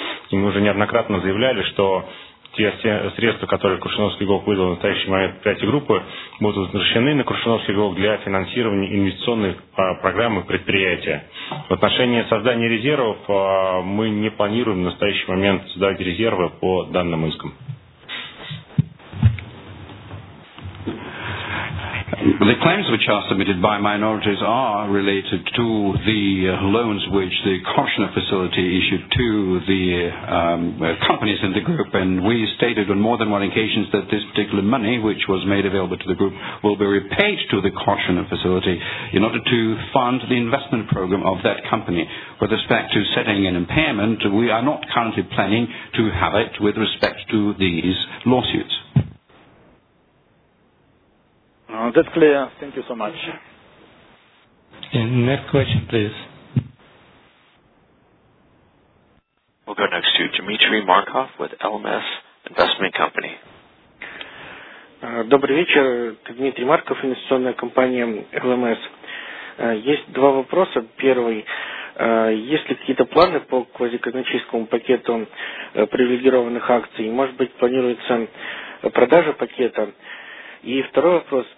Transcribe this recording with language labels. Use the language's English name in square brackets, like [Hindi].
[Russian] И мы уже неоднократно заявляли, что те средства, которые Коршуновский ГОК выдал в настоящий момент предприятие группы, будут возвращены на Коршуновский ГОК для финансирования инвестиционной программы предприятия. В отношении создания резервов мы не планируем в настоящий момент создать резервы по данным искам. [English] The claims which are submitted by minorities are related to the loans which the Koshner facility issued to the companies in the group, and we stated on more than one occasion that this particular money, which was made available to the group, will be repaid to the Koshner facility in order to fund the investment program of that company. With respect to setting an impairment, we are not currently planning to have it with respect to these lawsuits. That's clear. Thank you so much. And next question, please. We'll go next to Dmitry Markov with LMS Investment Company. [Russian] Добрый вечер. Дмитрий Марков, инвестиционная компания LMS. Есть два вопроса. Первый. Есть ли какие-то планы по квазиказначейскому пакету привилегированных акций? Может быть, планируется продажа пакета? И второй вопрос.